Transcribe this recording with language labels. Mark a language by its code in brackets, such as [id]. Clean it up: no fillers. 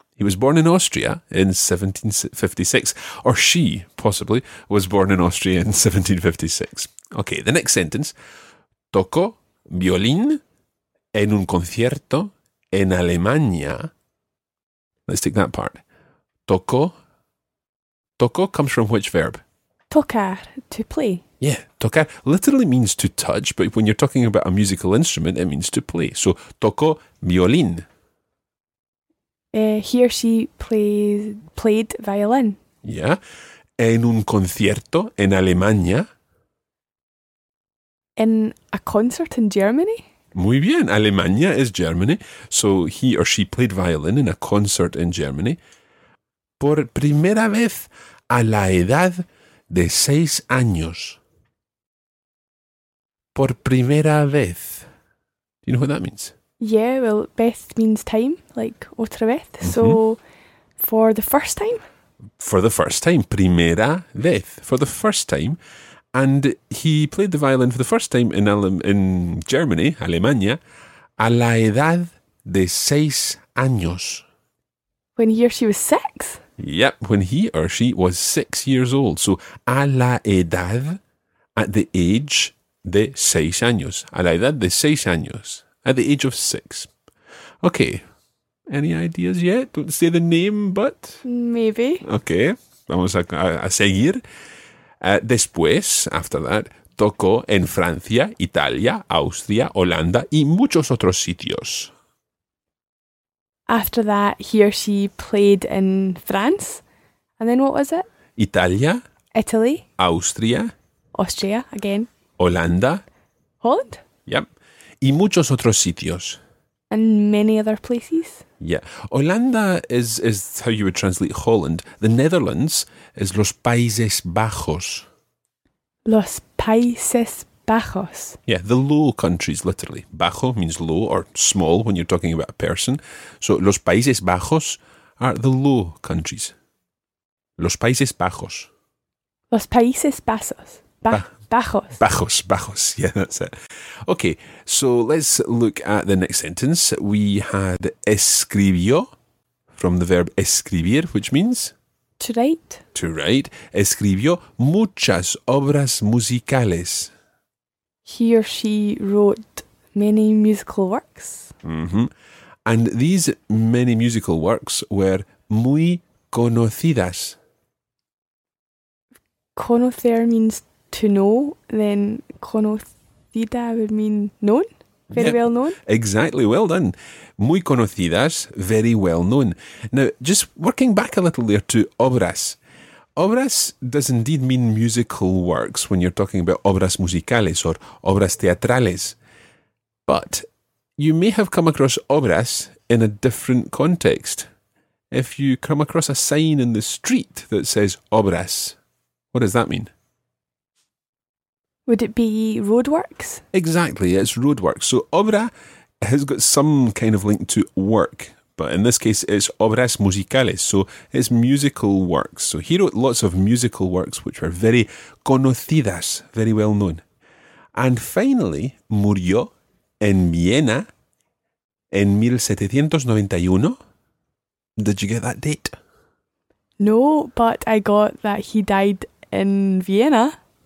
[en] He was born in Austria in 1756. Or she, possibly, was born in Austria in 1756. Okay, the next sentence. [es] Tocó violín en un concierto en Alemania. [en] Let's take that part. Tocó. Tocó comes from which verb? Tocar, to play. Yeah, tocar literally means to touch, but when you're talking about a musical instrument, it means to play. [es] So, tocó violín. [en] He or she played violin. Yeah. [es] En un concierto en Alemania. [en] In a concert in Germany? [es] Muy bien. [en] Alemania is Germany. So, he or she played violin in a concert in Germany. [es] Por primera vez a la edad de 6 años. Por primera vez. [en] Do you know what that means? Yeah, well, Beth means time, like otra vez. Mm-hmm. So, for the first time? For the first time. [es] Primera vez. [en] For the first time. And he played the violin for the first time in Germany, Alemania, [es] a la edad de seis años. [en] When he or she was six? Yep, when he or she was 6 years old. [es] So, a la edad, [en] at the age [es] de seis años. A la edad de seis años. [en] At the age of six. Okay. Any ideas yet? Don't say the name, but... Maybe. [es] Okay. Vamos a seguir. Después, [en] after that, [es] tocó en Francia, Italia, Austria, Holanda y muchos otros sitios. [en] After that, he or she played in France. And then what was it? [es] Italia. [en] Italy. [es] Austria. [en] Austria, again. [es] Holanda. [en] Holland? [es] Yep. Y muchos otros sitios. [en] And many other places. Yeah. Holanda is how you would translate Holland. The Netherlands is [es] Los Países Bajos. Los Países Bajos. [en] Yeah, the low countries, literally. Bajo means low or small when you're talking about a person. So Los Países Bajos are the low countries. [es] Los Países Bajos. Los Países Bajos. Bajos. Bajos, bajos. [en] Yeah, that's it. Okay, so let's look at the next sentence. We had escribió from the verb escribir, which means? To write. To write. [es] Escribió muchas obras musicales. [en] He or she wrote many musical works. Mm-hmm. And these many musical works were [es] muy conocidas. [en] Conocer means to know, then conocida would mean known, very yep. well known. Exactly, well done. [es] Muy conocidas, [en] very well known. Now, just working back a little there to obras. Obras does indeed mean musical works when you're talking about obras musicales or obras teatrales. But you may have come across obras in a different context. If you come across a sign in the street that says obras, what does that mean? Would it be roadworks? Exactly, it's roadworks. So obra has got some kind of link to work, but in this case it's obras musicales, so it's musical works. So he wrote lots of musical works which were very conocidas, very well known. And finally, [es] murió en Viena en 1791. [en] Did you get that date? No, but I got that he died in Vienna.